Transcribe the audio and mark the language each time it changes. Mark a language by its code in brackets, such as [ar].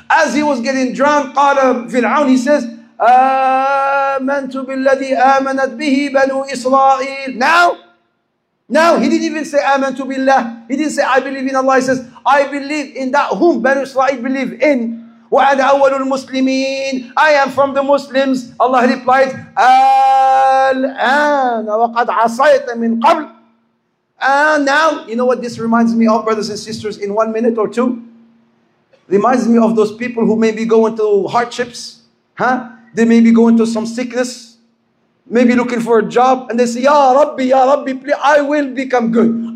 [en] As he was getting drowned, [ar] قال [en] Fir'aun, he says, [ar] آمَنْتُ بِالَّذِي آمَنَتْ بِهِ بَنُو إِسْرَائِيلِ. [en] Now, he didn't even say, [ar] آمَنْتُ بِاللَّهِ. [en] He didn't say, I believe in Allah. He says, I believe in that whom Banu Israel believe in. [ar] وَأَنَا أَوَّلُ الْمُسْلِمِينَ. [en] I am from the Muslims. Allah replied, [ar] الْآنَ وَقَدْ عَصَيْتَ مِنْ قَبْلِ. [en] And now, you know what this reminds me of, brothers and sisters, in 1 minute or two? Reminds me of those people who may be going through hardships. Huh? They may be going through some sickness. Maybe looking for a job. And they say, Ya Rabbi, please, I will become good.